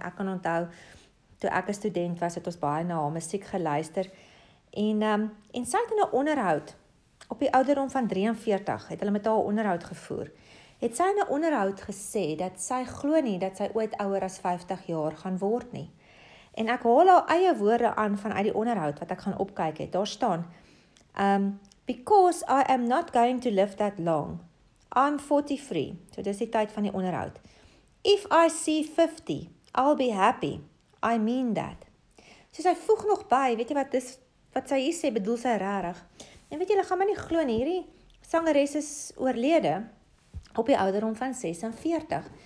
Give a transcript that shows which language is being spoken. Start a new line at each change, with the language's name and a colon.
Afrikaans: Ek kan onthou, toe ek 'n student was, het ons baie na haar musiek geluister. En sy het in 'n onderhoud, op die ouderdom van 43, het hulle met haar onderhoud gevoer. Het sy in 'n onderhoud gesê, dat sy glo nie, dat sy ooit ouer as 50 jaar gaan word nie. En ek haal haar eie woorde aan vanuit die onderhoud wat ek gaan opkyk het. Daar staan,
English: because I am not going to live that long. I'm 43.
Afrikaans: So dis die tyd van die onderhoud.
English: If I see 50, I'll be happy. I mean that.
Afrikaans: So sy voeg nog by, weet jy wat dis, wat sy hier sê, bedoel sy rarig. En weet jy, hulle gaan my nie glo nie, hierdie sangeres is oorlede op die ouderdom van 46.